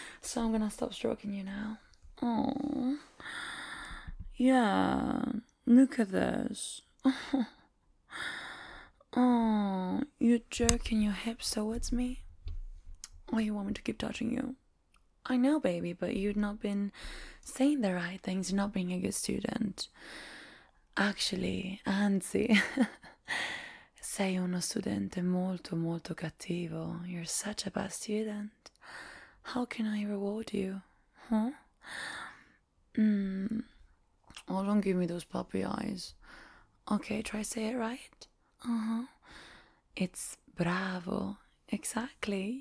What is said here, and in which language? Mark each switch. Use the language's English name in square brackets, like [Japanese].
[English] So I'm gonna stop stroking you now. Oh, yeah. Look at this. Oh, you're jerking your hips towards me. Or you want me to keep touching you? I know, baby, but you've not been saying the right things. You're not being a good student. Actually, [Italian] anzi, sei uno studente molto, molto cattivo. [English] You're such a bad student. How can I reward you? Huh? Oh, don't give me those puppy eyes. Okay, try say it right. Uh-huh. It's bravo. Exactly.